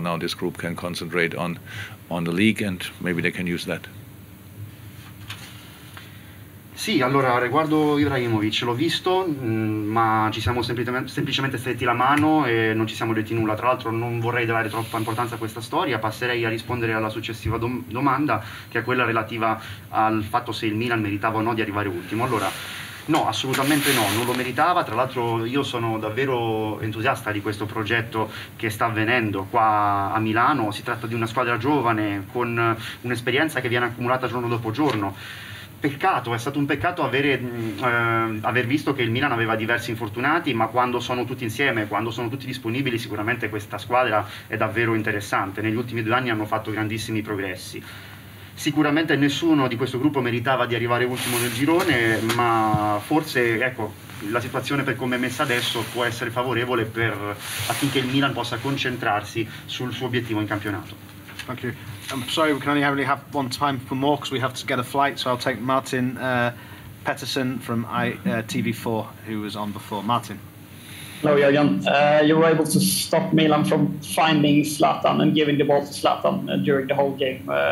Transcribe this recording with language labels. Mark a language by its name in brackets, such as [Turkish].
[English] Now this group can concentrate on the league, and maybe they can use that. [Italian] Sì, allora riguardo Ibrahimovic l'ho visto, ma ci siamo semplicemente stretti la mano e non ci siamo detti nulla. Tra l'altro non vorrei dare troppa importanza a questa storia, passerei a rispondere alla successiva domanda, che è quella relativa al fatto se il Milan meritava o no di arrivare ultimo. Allora, no, assolutamente no, non lo meritava. Tra l'altro io sono davvero entusiasta di questo progetto che sta avvenendo qua a Milano. Si tratta di una squadra giovane con un'esperienza che viene accumulata giorno dopo giorno. Peccato, è stato un peccato aver visto che il Milan aveva diversi infortunati, ma quando sono tutti insieme, quando sono tutti disponibili, sicuramente questa squadra è davvero interessante. Negli ultimi 2 anni hanno fatto grandissimi progressi. Sicuramente nessuno di questo gruppo meritava di arrivare ultimo nel girone, ma forse, ecco, la situazione per come è messa adesso può essere favorevole per affinché il Milan possa concentrarsi sul suo obiettivo in campionato. [English] Thank you. I'm sorry, we can only really have one time for more because we have to get a flight. So I'll take Martin Pettersson from TV4, who was on before. Martin. Hello, Jürgen. You were able to stop Milan from finding Zlatan and giving the ball to Zlatan during the whole game.